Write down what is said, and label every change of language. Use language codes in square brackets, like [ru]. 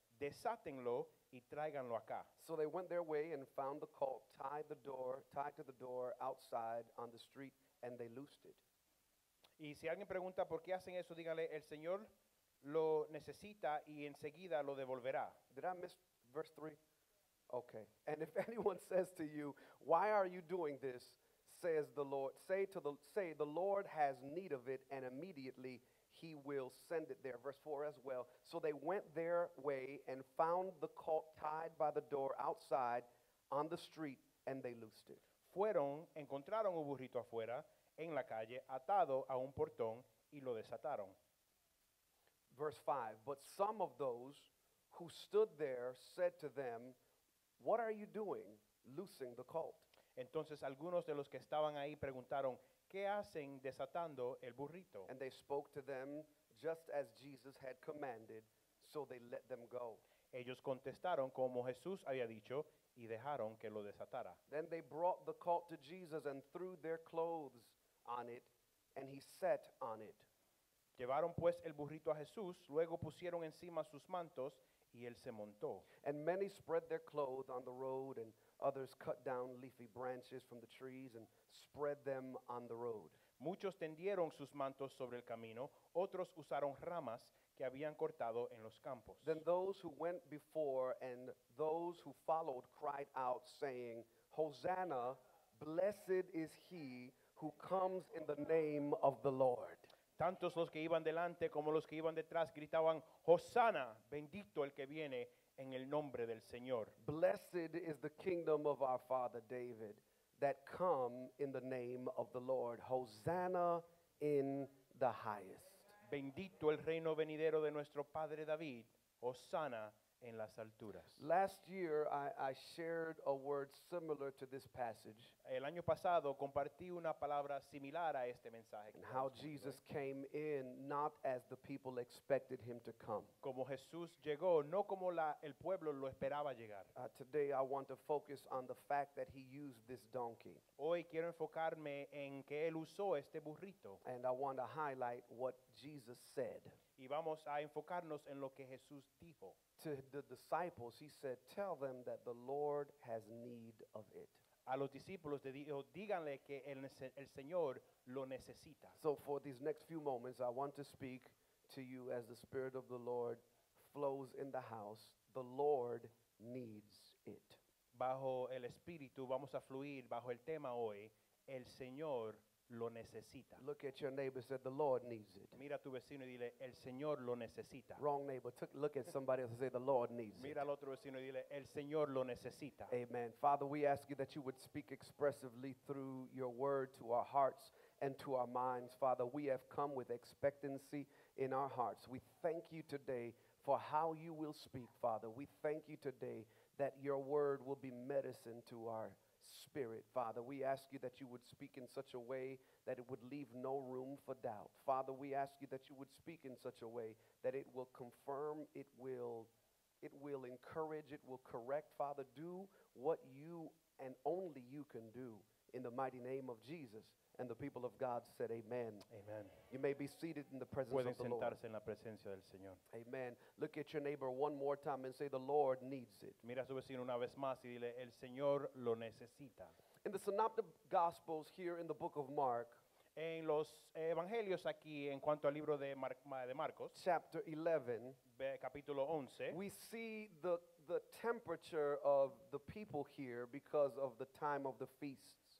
[es] Desátenlo y tráiganlo acá. [en] So they went their way and found the colt tied to the door outside on the street, and they loosed it. [es] Y si alguien pregunta por qué hacen eso, díganle, el Señor lo necesita y enseguida lo devolverá. [en] Did I miss verse 3? Okay. And if anyone says to you, why are you doing this? Says the Lord, say the Lord has need of it, and immediately he will send it there. Verse 4 as well. So they went their way and found the colt tied by the door outside on the street, and they loosed it. [es] Fueron, encontraron un burrito afuera, en la calle, atado a un portón, y lo desataron. [en] Verse 5. But some of those who stood there said to them, what are you doing, loosing the colt? [es] Entonces algunos de los que estaban ahí preguntaron, ¿qué hacen desatando el burrito? [en] And they spoke to them just as Jesus had commanded, so they let them go. [es] Ellos contestaron como Jesús había dicho y dejaron que lo desatara. [en] Then they brought the colt to Jesus and threw their clothes on it, and he sat on it. [es] Llevaron pues el burrito a Jesús, luego pusieron encima sus mantos y él se montó. [en] And many spread their clothes on the road, and others cut down leafy branches from the trees and spread them on the road. [es] Muchos tendieron sus mantos sobre el camino, otros usaron ramas que habían cortado en los campos. [en] Then those who went before and those who followed cried out, saying, Hosanna, blessed is he who comes in the name of the Lord. [es] Tantos los que iban delante como los que iban detrás gritaban, Hosanna, bendito el que viene en el nombre del Señor. [en] Blessed is the kingdom of our father David that come in the name of the Lord. Hosanna in the highest. [es] Bendito el reino venidero de nuestro padre David. Hosanna en las alturas. [en] Last year I shared a word similar to this passage. [es] El año pasado compartí una palabra similar a este mensaje. [en] And how Jesus came in not as the people expected him to come. [es] Como Jesús llegó, no como el pueblo lo esperaba llegar. [en] Today I want to focus on the fact that he used this donkey. [es] Hoy quiero enfocarme en que él usó este burrito. [en] And I want to highlight what Jesus said. [es] Y vamos a enfocarnos en lo que Jesús dijo. [en] To the disciples, he said, tell them that the Lord has need of it. [es] A los discípulos le dijo, díganle que el Señor lo necesita. [en] So for these next few moments, I want to speak to you as the Spirit of the Lord flows in the house. The Lord needs it. [es] Bajo el Espíritu, vamos a fluir bajo el tema hoy, el Señor lo necesita. [en] Look at your neighbor and say, the Lord needs it. [es] Mira a tu vecino y dile, el Señor lo necesita. [en] Wrong neighbor, look at somebody else and say, the Lord needs it. [es] Mira al otro vecino y dile, el Señor lo necesita. [en] Amen. Father, we ask you that you would speak expressively through your word to our hearts and to our minds. Father, we have come with expectancy in our hearts. We thank you today for how you will speak, Father. We thank you today that your word will be medicine to our Spirit, Father, we ask you that you would speak in such a way that it would leave no room for doubt. Father, we ask you that you would speak in such a way that it will confirm, it will encourage, it will correct. Father, do what you and only you can do in the mighty name of Jesus. And the people of God said, amen. Amen. You may be seated in the presence [es] Pueden [en] of the [es] sentarse [en] Lord. [es] En la presencia del Señor. [en] Amen. Look at your neighbor one more time and say, the Lord needs it. [es] Mira a su vecino una vez más y dile, el Señor lo necesita. [en] In the Synoptic Gospels here in the book of Mark, [es] en los evangelios aquí en cuanto al libro de Marcos, [en] chapter 11, [es] capítulo 11, [en] we see the temperature of the people here because of the time of the feast.